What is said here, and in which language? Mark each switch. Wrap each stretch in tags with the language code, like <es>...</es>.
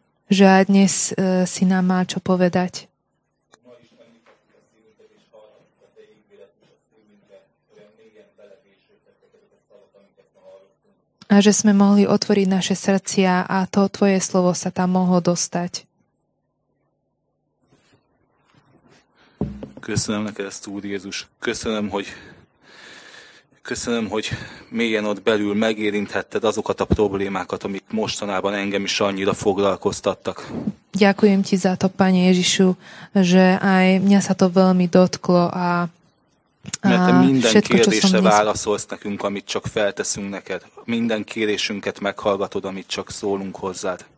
<sk>Že aj dnes si nám má čo povedať. A že sme mohli otvoriť naše srdcia a to tvoje slovo sa tam mohlo dostať.</sk> <hu>Köszönöm neked ezt, Úr Jézus. Köszönöm, hogy mélyen ott belül megérintetted azokat a problémákat, amik mostanában engem is annyira foglalkoztattak.</hu> <sk>Ďakujem ti za to, Pane Ježišu, že aj mňa sa to veľmi dotklo a</sk> <hu>mert te minden kérdésre válaszolsz nekünk, amit csak felteszünk neked. Minden kérésünket meghallgatod, amit csak szólunk hozzád.</hu>